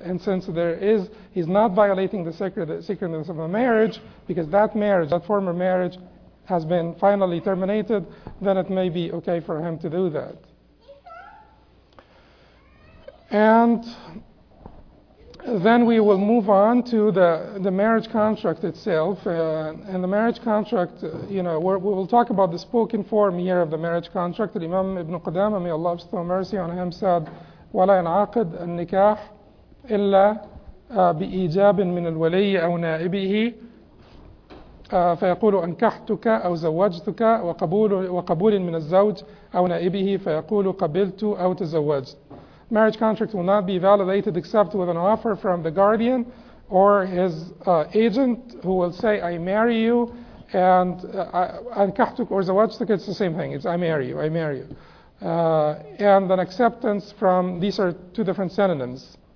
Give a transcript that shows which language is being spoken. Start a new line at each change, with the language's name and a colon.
English: And since there is, he's not violating the sacredness of a marriage, because that marriage, that former marriage, has been finally terminated, then it may be okay for him to do that. And then we will move on to the marriage contract itself. And the marriage contract, you know, we will talk about the spoken form here of the marriage contract. The Imam Ibn Qudamah, may Allah bestow mercy on him, said,
Arabic: وَلَا يَنْعَقِدْ النِّكَاحِ إِلَّا بِإِيجَابٍ مِنَ الْوَلِيِّ أَوْ نَائِبِهِ فَيَقُولُ أَنْكَحْتُكَ أَوْ زَوَّجْتُكَ وَقَبُولٍ مِنَ الزَّوْجِ أَوْ نَائِبِهِ فَيَقُولُ قَبِلْتُ أَوْ تَزَوَّجْتُ.
English: Marriage contract will not be validated except with an offer from the guardian or his agent, who will say, I marry you, and أَنْكَحْتُكَ or زَوَّجْتُكَ, it's the same thing, it's I marry you. And an acceptance from, these are two different synonyms.